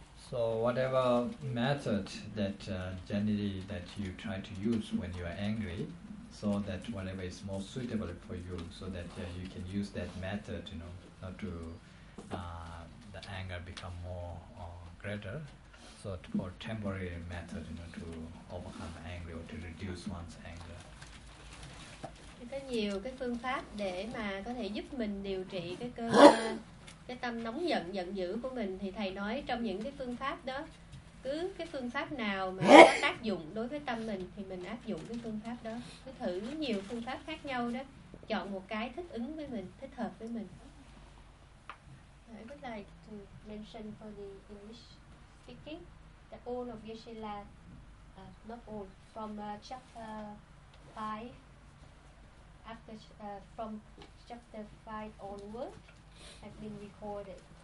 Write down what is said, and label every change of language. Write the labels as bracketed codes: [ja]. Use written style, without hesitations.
[en] So whatever method that generally that you try to use when you are angry, so that whatever is more suitable for you, so that you can use that method, you know, not to the anger become more greater. So for temporary method, you know, to overcome anger or to reduce one's anger. [vi] Có nhiều cái phương pháp để mà có thể giúp mình điều trị cái cơn cái tâm nóng giận giận dữ của mình, thì thầy nói trong những cái phương pháp đó, cứ cái phương pháp nào mà có tác dụng đối với tâm mình thì mình áp dụng cái phương pháp đó, cứ thử nhiều phương pháp khác nhau đó, chọn một cái thích ứng với mình, thích hợp với mình. [en] I would like to mention for the English speaking that all of Yashila, not all, from chapter 5, after from chapter 5 onward, have been recorded.